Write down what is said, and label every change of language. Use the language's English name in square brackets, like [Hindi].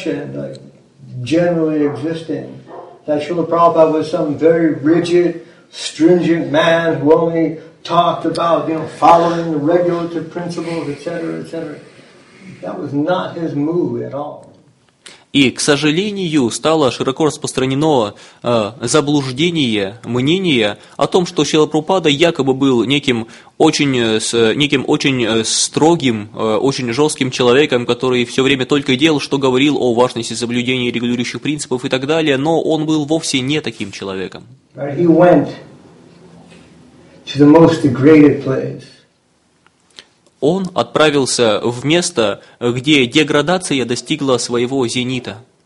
[English] That Srila Prabhupada was some very rigid, stringent man who only talked about, you know, following the regulative principles, etc., etc. That was not his mood at all. [Russian] И, к сожалению, стало широко распространено заблуждение, мнение о том, что Шрила Прабхупада якобы был неким очень строгим, очень жестким человеком, который все время только делал, что говорил о важности соблюдения регулирующих принципов и так далее, но он был вовсе не таким человеком. [English] He went to the most degraded place. [Russian] Он отправился в место, где деградация достигла своего зенита.